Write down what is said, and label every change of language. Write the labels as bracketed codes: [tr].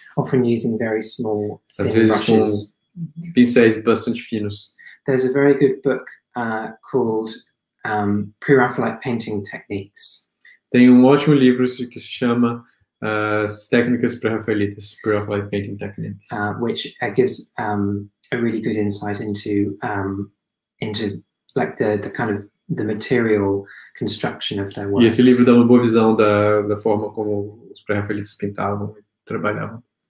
[en] Often using very small, [pt] às vezes com pincéis bastante finos. [en] There's a very good book called Pre-Raphaelite Painting Techniques. [pt] Tem um ótimo livro que se chama Técnicas Pre-Raphaelites, Pre-Raphaelite Painting Techniques. [en] Which gives a really good insight into the material construction of their work. [pt] E esse livro dá uma boa visão da forma como os pré-raphaelites pintavam e trabalhavam.